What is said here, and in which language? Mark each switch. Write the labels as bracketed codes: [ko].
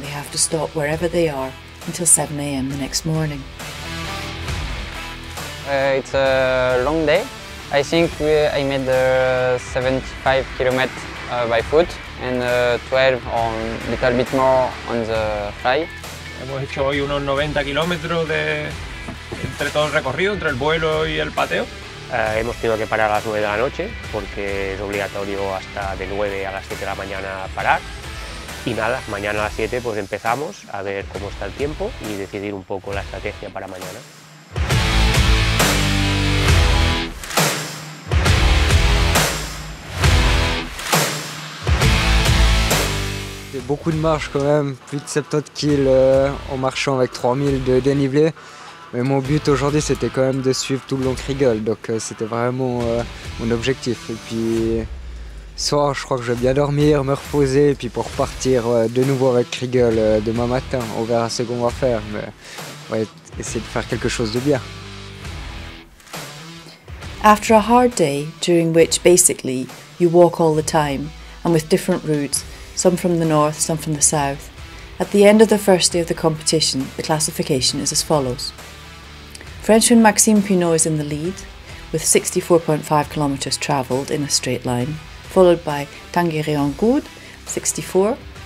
[en] they have to stop wherever they are until 7 a.m. the next morning. It's a long day. I think I made 75 kilometers by foot, and 12 or a little bit more on the fly. [es] Hemos hecho hoy unos 90 kilómetros entre todo el recorrido, entre el vuelo y el pateo. Hemos tenido que parar a las 9 de la noche porque es obligatorio hasta de 9 a las 7 de la mañana parar. Y nada, mañana a las 7 pues empezamos a ver cómo está el tiempo y decidir un poco la estrategia para mañana. [fr] C'est beaucoup de marche quand même, plus de 70 kilos en marchant avec 3000 de dénivelé. Mais mon but aujourd'hui c'était quand même de suivre tout le long Krigel, donc c'était vraiment mon objectif. Et puis soir je crois que je vais bien dormir, me reposer, et puis pour repartir de nouveau avec Krigel demain matin. On verra ce qu'on va faire, mais on va essayer de faire quelque chose de bien. [en] After a hard day, during which basically you walk all the time, and with different routes, some from the north, some from the south, At the end of the first day of the competition, the classification is as follows. Frenchman Maxime Pinot is in the lead, with 64.5 kilometres travelled in a straight line, followed by Tanguy Angoud, 64.